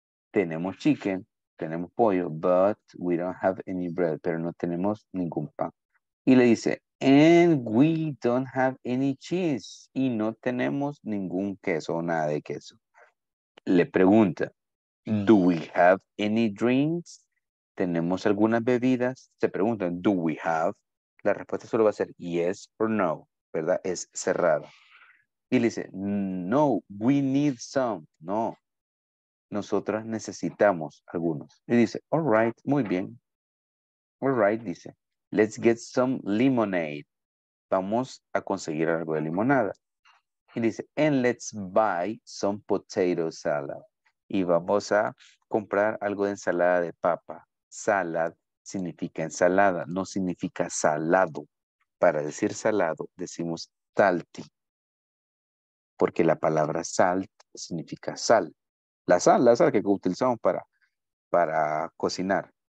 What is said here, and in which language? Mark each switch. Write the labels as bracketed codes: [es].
[es] Tenemos [en] chicken, [es] tenemos pollo, [en] but we don't have any bread. [es] Pero no tenemos ningún pan. Y le dice, [en] and we don't have any cheese. [es] Y no tenemos ningún queso o nada de queso. Le pregunta, [en] do we have any drinks? [es] ¿Tenemos algunas bebidas? Se pregunta, [en] do we have? [es] La respuesta solo va a ser [en] yes or no, [es] ¿verdad? Es cerrada. Y le dice, no, [en] we need some. [es] No, nosotros necesitamos algunos. Y dice, [en] all right, [es] muy bien. [en] All right, [es] dice, [en] let's get some lemonade. [es] Vamos a conseguir algo de limonada. Y dice, [en] and let's buy some potato salad. [es] Y vamos a comprar algo de ensalada de papa. Salad significa ensalada, no significa salado. Para decir salado, decimos salty. Porque la palabra salt significa sal. La sal que utilizamos para cocinar.